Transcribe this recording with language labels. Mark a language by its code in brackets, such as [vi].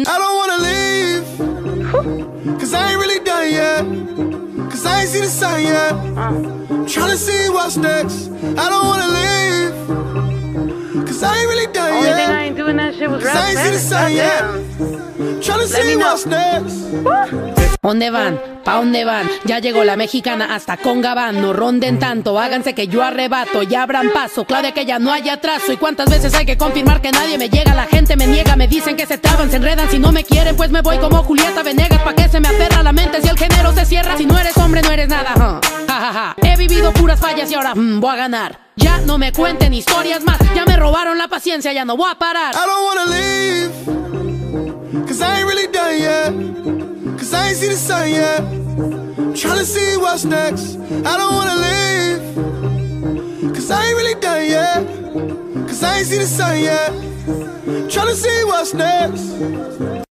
[en] I don't wanna leave, 'cause I ain't really done yet. 'Cause I ain't seen the sun yet. Tryna see what's next. I don't wanna leave, 'cause I ain't really done only yet. Only thing I ain't doing that shit was rap. 'Cause I ain't seen the sun yet. Tryna see what's next. [es] ¿Dónde van? ¿Pa dónde van? Ya llegó la mexicana hasta con Gabán. No ronden tanto, háganse que yo arrebato y abran paso. Claro que ya no hay atraso. ¿Y cuántas veces hay que confirmar que nadie me llega? La gente me niega, me dicen que se traban, se enredan. Si no me quieren, pues me voy como Julieta Venegas. ¿Pa qué se me aferra la mente si el género se cierra? Si no eres hombre, no eres nada. Ja, ja, ja. He vivido puras fallas y ahora voy a ganar. Ya no me cuenten historias más. Ya me robaron la paciencia, ya no voy a parar. [en] I don't wanna leave, 'cause I ain't really done yet. 'Cause I ain't see the sun yet. Tryna see what's next. I don't wanna leave, 'cause I ain't really done yet. 'Cause I ain't see the sun yet. Tryna see what's next.